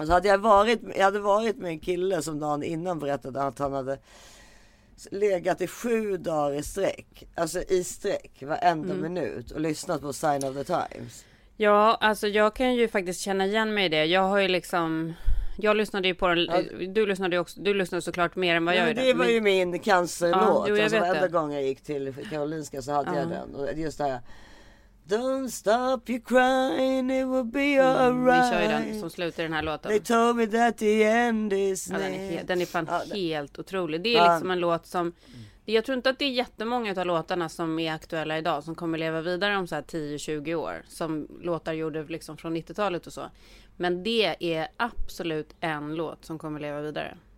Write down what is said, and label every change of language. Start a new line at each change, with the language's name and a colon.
Swedish: Och så hade jag hade varit med en kille som dagen innan berättade att han hade legat i 7 dagar i sträck. Alltså i sträck, varenda minut. Och lyssnat på Sign of the Times. Ja, alltså jag kan ju faktiskt känna igen mig i det. Jag har ju liksom... Jag lyssnade ju på den. Du lyssnade ju också. Du lyssnade såklart mer än vad jag gör. Det var ju min cancerlåt. Ja, jag alltså, varenda gång jag gick till Karolinska så hade jag den. Och just det här...
English: Don't stop you crying, it will be alright.
Swedish: Vi kör ju den som slutar den här låten.
English: They told me that the end is near.
Swedish: Ja, den är fan helt otrolig. Det är liksom en låt som... Jag tror inte att det är jättemånga av låtarna som är aktuella idag som kommer leva vidare om så här 10-20 år. Som låtar gjorde liksom från 90-talet och så. Men det är absolut en låt som kommer leva vidare.